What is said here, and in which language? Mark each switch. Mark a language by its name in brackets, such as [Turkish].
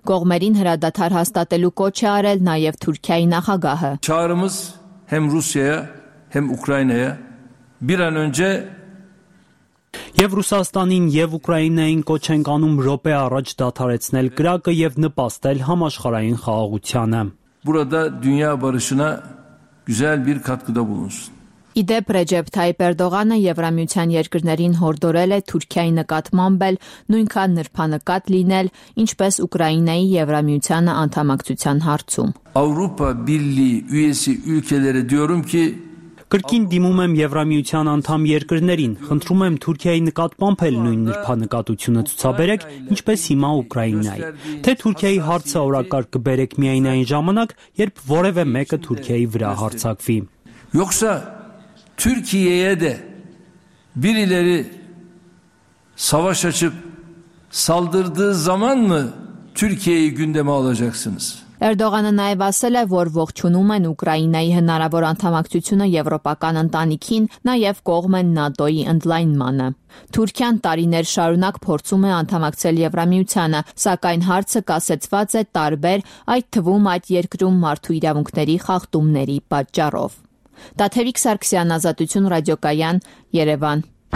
[Armenian] Կողմերին հրադադար հաստատելու կոչ է արել նաև Թուրքիայի նախագահը. [Turkish] Çağrımız hem Rusya'ya hem Ukrayna'ya bir an önce [Armenian] Եվ Ռուսաստանին և Ուկրաինային կոչ են անում ռոպե առաջ դադարեցնել կրակը և նպաստել համաշխարհային խաղաղությանը. [Turkish] Burada dünya barışına güzel bir katkıda bulunsun. [Armenian] Իդեպ Ռեջեփ Թայիփ Էրդողանը Եվրամիության երկրներին հորդորել է Թուրքիայի նկատմամբ էլ նույնքան նրբանկատ լինել, ինչպես Ուկրաինայի Եվրամիության անդամակցության հարցում։ [Turkish] Avrupa Birliği üyesi ülkelere diyorum ki [Armenian] Կրկին դիմում եմ Եվրամիության անդամ երկրներին, խնդրում եմ Թուրքիայի նկատմամբ էլ նույն նրբանկատությունը ցուցաբերեք, ինչպես հիմա Ուկրաինայի։ Թե Թուրքիայի հարցը օրակարգ կբերեք միայն այն ժամանակ, երբ որևէ մեկը Թուրքիայի վրա հարցակվի։ [Turkish] Yoksa Türkiye'ye de birileri savaş açıp saldırdığı zaman mı Türkiye'yi gündeme alacaksınız? [Armenian] Էրդողանը նաև ասել է, որ ողջունում են Ուկրաինայի հնարավոր անդամակցությունը եվրոպական ընտանիքին, նաև կողմ են ՆԱՏՕ-ի ընդլայնմանը։ Թուրքիան տարիներ շարունակ փորձում է անդամակցել Եվրամիությանը, սակայն հարցը կասեցված է տարբեր, այդ թվում այդ երկրում մարդու իրավունքների խախտումների պատճառով։ Տաթևիկ Սարգսյան, Ազատություն ռադիոկայան, Երևան։